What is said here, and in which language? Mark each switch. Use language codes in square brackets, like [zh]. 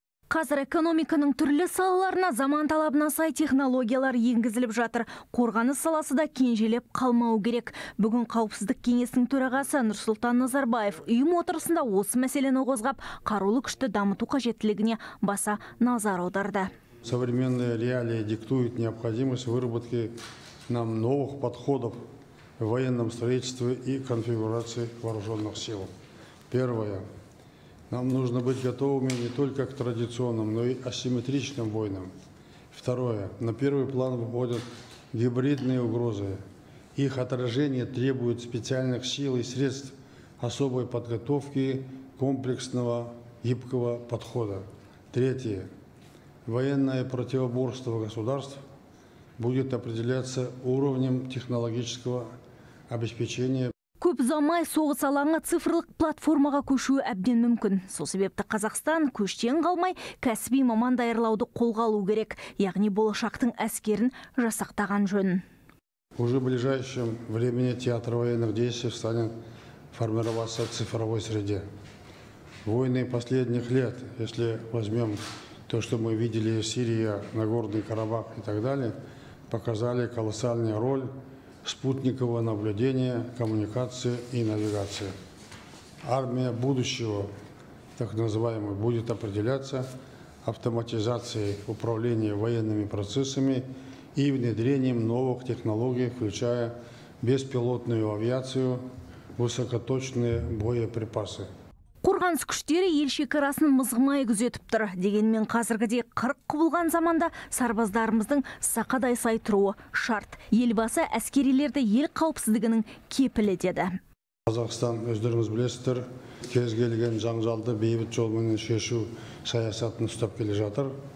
[kk] Қазір экономиканың түрлі салаларына заман талабына сай технологиялар енгізіліп жатыр. Қорғаны саласы да кенжелеп қалмау керек. Бүгін қауіпсіздік кеңесінің төрағасы Нұрсұлтан Назарбаев ұйым отырысында осы мәселені қозғап, қарулы күшті дамыту қажеттілігіне баса назар аударды. [ru] Современные реалии диктуют необходимость выработки нам новых подходов в военном строительстве и конфигурации вооруженных сил. Первое. Нам нужно быть готовыми не только к традиционным, но и асимметричным войнам. Второе. На первый план выходят гибридные угрозы. Их отражение требует специальных сил и средств особой подготовки, комплексного, гибкого подхода. Третье. Военное противоборство государств будет определяться уровнем технологического обеспечения. [kk] Көп замай соғыс алаңы цифрлық платформаға көшуі әбден мүмкін. Сол себепті Қазақстан көштен қалмай, кәсіби маман даярлауды қолға алу керек. Яғни болашақтың әскерін жасақтаған жөн. [ru] Уже в ближайшем времени театр военных действий станет формироваться в цифровой среде. Войны последних лет, если возьмем то, что мы видели в Сирии, Нагорный Карабах и так далее, показали колоссальную роль спутникового наблюдения, коммуникации и навигации. Армия будущего, так называемая, будет определяться автоматизацией управления военными процессами и внедрением новых технологий, включая беспилотную авиацию, высокоточные боеприпасы. [kk] Қорғаныс күштері ел шекарасын мызғымай күзетіп тұр. Дегенмен қазіргідей қырық құбылған заманда сарбаздарымыздың сақадай сай тұруы шарт. Елбасы әскерилерді ел қауіпсіздігінің кепілі деді. Қазақстан, өздеріңіз білесіздер, кез келген жанжалды бейбіт жолменен шешу саясатын ұстап келе жатыр.